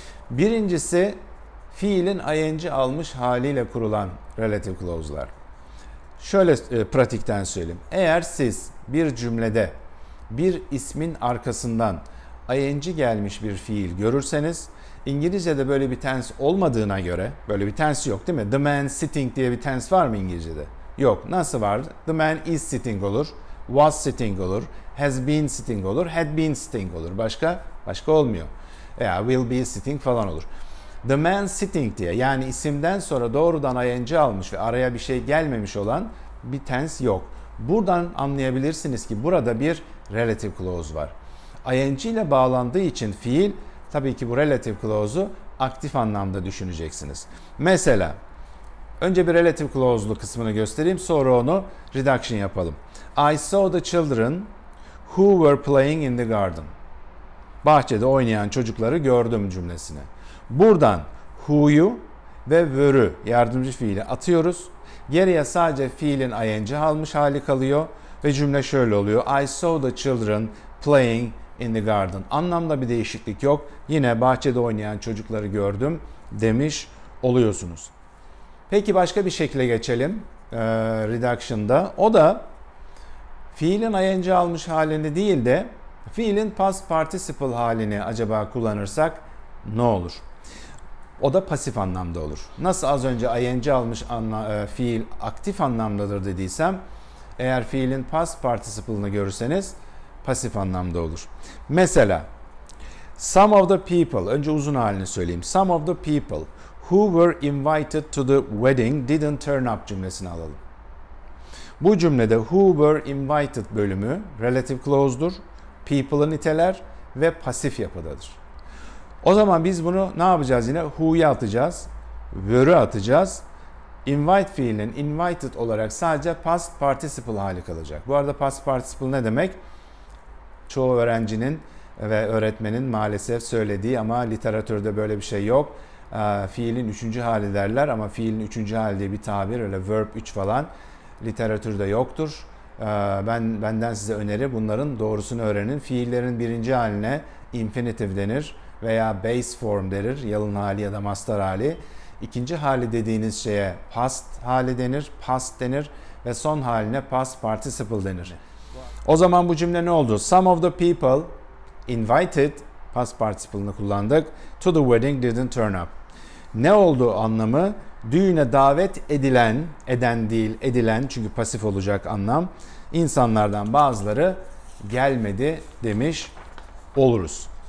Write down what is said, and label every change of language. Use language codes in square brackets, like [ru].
[tr] Birincisi fiilin ing almış haliyle kurulan relative clause'lar. Şöyle pratikten söyleyeyim. Eğer siz bir cümlede bir ismin arkasından ing gelmiş bir fiil görürseniz, İngilizce'de böyle bir tense olmadığına göre, böyle bir tense yok değil mi? [en] The man sitting [tr] diye bir tense var mı İngilizce'de? Yok. Nasıl var? [en] The man is sitting [tr] olur, [en] was sitting olur, has been sitting olur, had been sitting olur. [tr] Başka olmuyor. Veya will be sitting falan olur. [en] The man sitting [tr] diye, yani isimden sonra doğrudan ing almış ve araya bir şey gelmemiş olan bir tense yok. Buradan anlayabilirsiniz ki burada bir relative clause var. ING ile bağlandığı için fiil, tabii ki bu relative clause'u aktif anlamda düşüneceksiniz. Mesela, önce bir relative clause'lu kısmını göstereyim, sonra onu reduction yapalım. [en] I saw the children who were playing in the garden. [tr] Bahçede oynayan çocukları gördüm cümlesini. Buradan who'yu ve were'ü yardımcı fiili atıyoruz. Geriye sadece fiilin ing almış hali kalıyor ve cümle şöyle oluyor. [en] I saw the children playing in the garden. [tr] Anlamda bir değişiklik yok. Yine bahçede oynayan çocukları gördüm demiş oluyorsunuz. Peki başka bir şekle geçelim reduction'da. O da fiilin ing almış halini değil de fiilin past participle halini acaba kullanırsak ne olur? O da pasif anlamda olur. Nasıl az önce ing almış fiil aktif anlamdadır dediysem, eğer fiilin past participle'ını görürseniz pasif anlamda olur. Mesela [en] some of the people, [tr] önce uzun halini söyleyeyim. [en] Some of the people who were invited to the wedding didn't turn up [tr] cümlesini alalım. Bu cümlede [en] who were invited [tr] bölümü relative clause'dur. People'ı niteler ve pasif yapıdadır. O zaman biz bunu ne yapacağız yine? Who'yu atacağız, were'ü atacağız. Invite fiilinin invited olarak sadece past participle hali kalacak. Bu arada past participle ne demek? çoğu öğrencinin ve öğretmenin maalesef söylediği ama literatürde böyle bir şey yok. Fiilin üçüncü hali derler ama fiilin üçüncü hali diye bir tabir, öyle verb 3 falan literatürde yoktur. Benden size öneri, bunların doğrusunu öğrenin. Fiillerin birinci haline infinitive denir veya base form denir, yalın hali ya da mastar hali. İkinci hali dediğiniz şeye past hali denir, past denir ve son haline past participle denir. O zaman bu cümle ne oldu? [en] Some of the people invited, [tr] past participle'ını kullandık, [en] to the wedding didn't turn up. [tr] Ne oldu anlamı? Düğüne davet edilen, eden değil edilen, çünkü pasif olacak anlam, insanlardan bazıları gelmedi demiş oluruz.